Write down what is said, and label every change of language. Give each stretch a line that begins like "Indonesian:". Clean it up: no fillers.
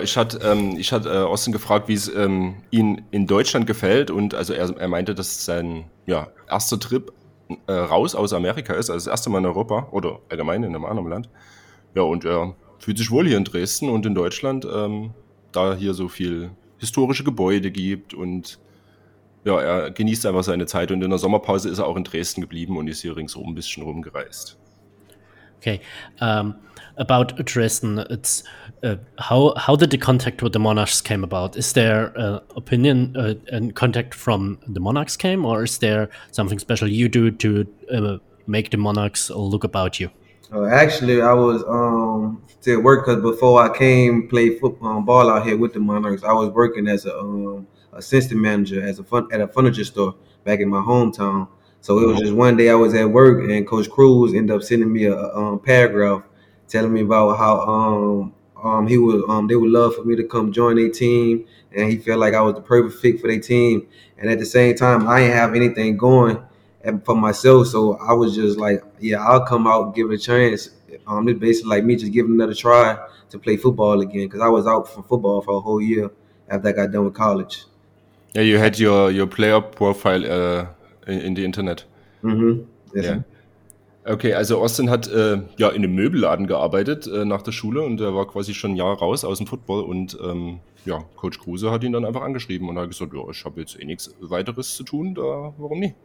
German: Ich hatte Austin gefragt, wie es ihm in Deutschland gefällt, und also er meinte, dass sein erster Trip raus aus Amerika ist, also das erste Mal in Europa oder allgemein in einem anderen Land. Ja, und er fühlt sich wohl hier in Dresden und in Deutschland, da hier so viel historische Gebäude gibt, und ja, er genießt einfach seine Zeit, und in der Sommerpause ist er auch in Dresden geblieben und ist hier ringsum ein bisschen rumgereist.
English: Okay, about Dresden, it's how did the contact with the Monarchs came about? Is there opinion and contact from the Monarchs came, or is there something special you do to make the Monarchs look about you? Actually, I was still work because before I came play football ball out here with the Monarchs, I was working as a assistant manager at a furniture store back in my hometown. So it was just one day I was at work and Coach Cruz ended up sending me a paragraph telling me about how they would love for me to come join their team, and he felt like I was the perfect fit for their team. And at the same time, I didn't have anything going for myself, so I was just like, yeah, I'll come out and give it a chance. It's basically like me just giving another try to play football again, because I was out from football for a whole year after I got done with college. Yeah, you had your player profile in the internet. Mm-hmm. Yes. Yeah.
German: Okay, also Austin hat ja in einem Möbelladen gearbeitet nach der Schule und er war quasi schon ein Jahr raus aus dem Football und ja, Coach Kruse hat ihn dann einfach angeschrieben und hat gesagt, ja, ich habe jetzt eh nichts weiteres zu tun, da warum nicht?